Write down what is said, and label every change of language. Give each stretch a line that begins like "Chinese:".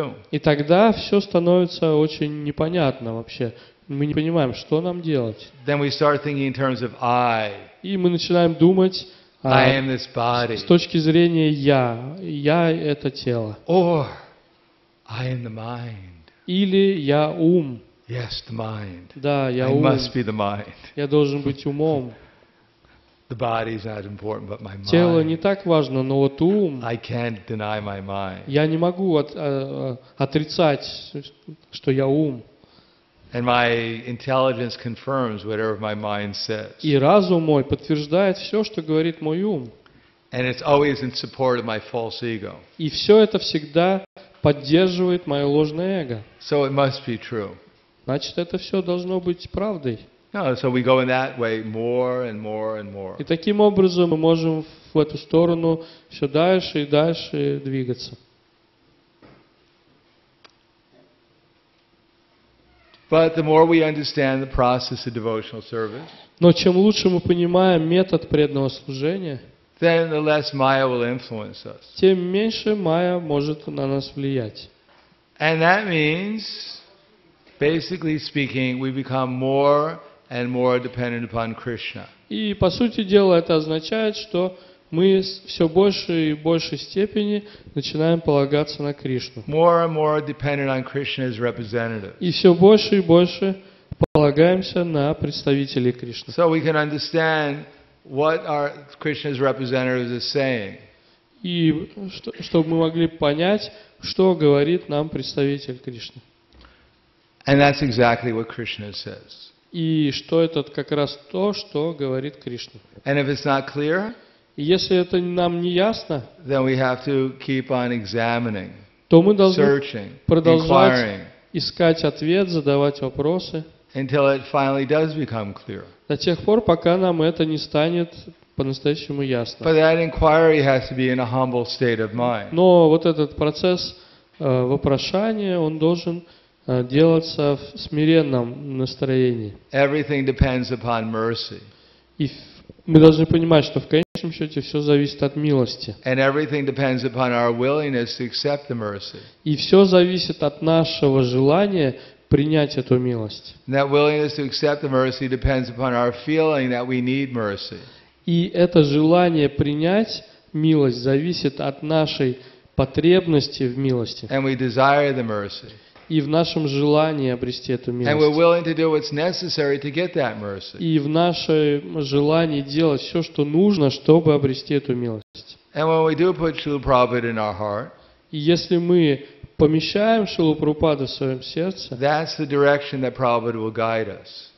Russian: И тогда все становится очень непонятно вообще. Мы не понимаем, что нам делать.
English: Then we start thinking in terms of I.
Russian: И мы начинаем думать
English: I am this body.
Russian: С точки зрения «я». «Я» — это тело.
English: Or, I am the mind.
Russian: Или «я» — ум.
English: Yes, the mind.
Russian: Да, «я» ум.
English: I must be the mind.
Russian: Я должен быть умом.
English: The body is not important, but my mind.
Russian: Тело не так важно, но вот ум.
English: I can't deny my mind.
Russian: Я не могу отрицать, что я ум.
English: And my intelligence confirms whatever my mind says.
Russian: И разум мой подтверждает все, что говорит мой ум.
English: And it's always in support of my false ego.
Russian: И все это всегда поддерживает мое ложное эго.
English: So it must be true.
Russian: Значит, это все должно быть правдой.
English: No, so we go in that way more and more and more.
Russian: И таким образом мы можем в эту сторону все дальше и дальше двигаться.
English: But the more we understand the process of devotional service,
Russian: но чем лучше мы понимаем метод преданного служения,
English: then the less Maya will influence us.
Russian: Тем меньше Maya может на нас влиять.
English: And that means, basically speaking, we become more and more dependent upon Krishna.
Russian: И по сути дела это означает, что мы все больше и большей степени начинаем полагаться на Кришну.
English: More and more dependent on Krishna's representatives.
Russian: И все больше и больше полагаемся на представителей Кришны.
English: So we can understand what our Krishna's representatives are saying.
Russian: И чтобы мы могли понять, что говорит нам представитель Кришны.
English: And that's exactly what Krishna says.
Russian: И что это как раз то, что говорит Кришна.
English: And if it's not clear,
Russian: если это нам не ясно,
English: then we have to keep on examining,
Russian: то мы должны
English: searching,
Russian: продолжать
English: inquiring,
Russian: искать ответ, задавать вопросы
English: until it finally does become clear.
Russian: До тех пор, пока нам это не станет по-настоящему ясно.
English: But that inquiry has to be in a humble state of mind.
Russian: Но вот этот процесс вопрошания, он должен делаться в смиренном настроении.
English: Everything depends upon mercy.
Russian: И мы должны понимать, что в конечном в конечном счете все зависит от милости.
English: And everything depends upon our willingness to accept the mercy.
Russian: И все зависит от нашего желания принять эту милость.
English: And that willingness to accept the mercy depends upon our feeling that we need mercy.
Russian: И это желание принять милость зависит от нашей потребности в милости.
English: And we desire the mercy.
Russian: И в нашем желании обрести эту милость.
English: And we're willing to do what's necessary to get that mercy.
Russian: И в нашем желании делать все, что нужно, чтобы обрести эту милость.
English: And when we do put Śrīla Prabhupāda in our heart,
Russian: и если мы помещаем Śrīla Prabhupāda в своем сердце,
English: that's the direction that Prabhupāda will guide us.